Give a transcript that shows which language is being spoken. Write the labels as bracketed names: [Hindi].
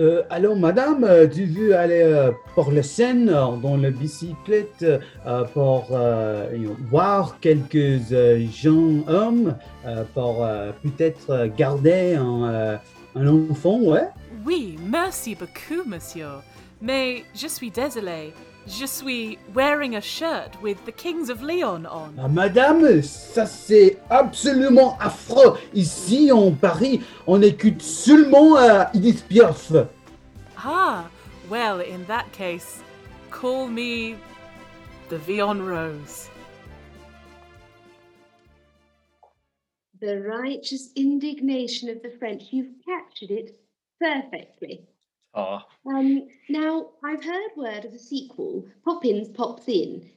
[French] Alors, madame, tu veux aller pour la scène dans la bicyclette pour voir quelques gens hommes pour peut-être garder un enfant, ouais? Oui, merci beaucoup, monsieur. Mais je suis désolée. Je suis [English] wearing a shirt with the Kings of Leon on. [French] Madame, ça c'est absolument affreux. Ici, en Paris, on écoute seulement Edith Piaf. [English] Ah, well, in that case, call me the Vion Rose. The righteous indignation of the French. You've captured it perfectly. Now, I've heard word of a sequel, Poppins Pops In.